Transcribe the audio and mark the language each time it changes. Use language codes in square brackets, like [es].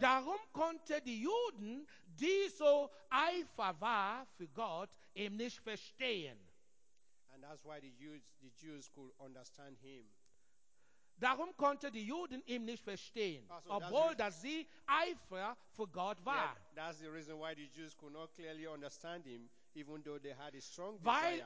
[de] Darum konnte die Juden, die so eifer war für Gott, ihn nicht verstehen. [en] And that's why the Jews could understand him. [de] Darum konnte die Juden ihn nicht verstehen, obwohl dass sie eifer für Gott war. [en] Yeah, that's the reason why the Jews could not clearly understand him, even though they had a strong desire.